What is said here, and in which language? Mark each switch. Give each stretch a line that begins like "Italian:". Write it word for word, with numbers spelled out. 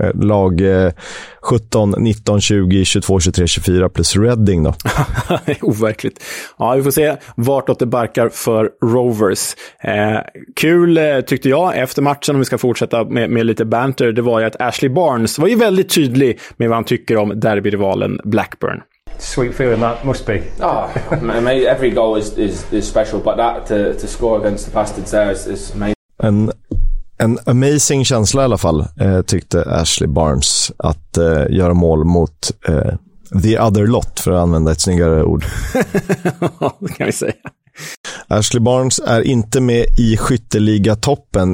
Swedish: Lag eh, sjutton, nitton, tjugo, tjugotvå, tjugotre, tjugofyra plus Reading då. Overkligt. Ja, vi får se vartåt det barkar för Rovers. Eh, kul eh, tyckte jag efter matchen, om vi ska fortsätta med, med lite banter, det var ju att Ashley Barnes var ju väldigt tydlig med vad han tycker om derbyrivalen Blackburn.
English: Sweet feeling that must be. Oh, mate, every goal is, is, is special, but that to, to score against the Bastards there is, is amazing.
Swedish: En, en amazing känsla i alla fall, eh, tyckte Ashley Barnes, att eh, göra mål mot eh,
English: the other lot,
Swedish: för att använda ett snyggare ord. Det kan vi säga. Ashley Barnes är inte med i skytteligatoppen.